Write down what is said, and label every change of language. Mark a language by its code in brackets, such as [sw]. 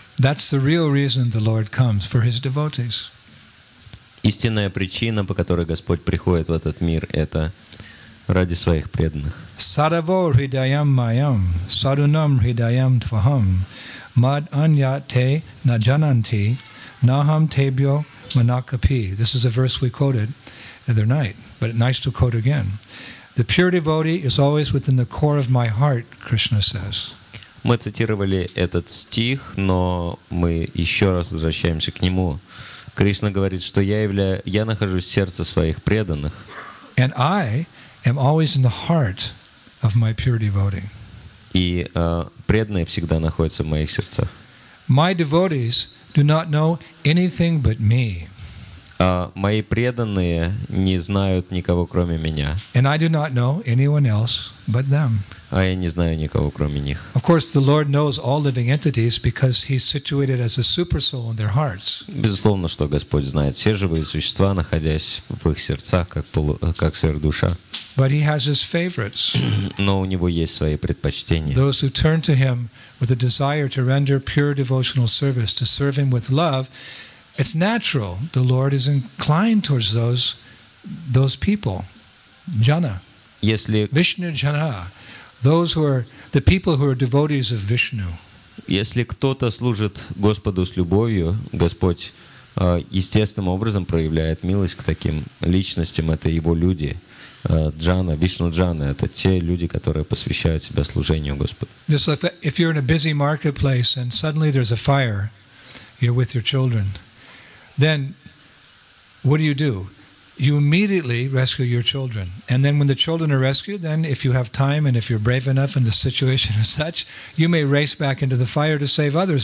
[en] That's the real reason the Lord comes, for His devotees. [ru] Истинная причина, по которой Господь приходит в этот мир, это ради своих преданных. [sa] Sadavo hridayam mayam, sadunam hridayam tvaham, mad anyat te na jananti, naham tebyo manakapi. [en] This is a verse we quoted the other night, but nice to quote again. The pure devotee is always within the core of my heart, Krishna says. [ru] Мы цитировали этот стих, но мы еще раз возвращаемся к нему. Кришна говорит, что я нахожусь в сердце своих преданных. [en] And I am always in the heart of my pure devotee. [ru] И преданные всегда находятся в моих сердцах. [en] My devotees do not know anything but me. [ru] Мои преданные не знают никого кроме меня. [en] And I do not know anyone else but them. [ru] А я не знаю никого кроме них. [en] Of course, the Lord knows all living entities because He's situated as a super soul in their hearts. [ru] Безусловно, что Господь знает все живые существа, находясь в их сердцах как сверхдуша. [en] But He has His favorites. [ru] Но у него есть свои предпочтения. [en] Those who turn to Him with a desire to render pure devotional service, to serve Him with love, it's natural. The Lord is inclined towards those people, jana. [ru] Если [sa] Vishnu jana. [en] Those who are the people who are devotees of Vishnu. [ru] Если кто-то служит Господу с любовью, Господь естественным образом проявляет милость к таким личностям. Это его люди, джана, Вишну джана. Это те люди, которые посвящают себя служению Господу. [en] Just like that, if you're in a busy marketplace and suddenly there's a fire, you're with your children, then what do you do? You immediately rescue your children. And then when the children are rescued, then if you have time and if you're brave enough and the situation is such, you may race back into the fire to save others.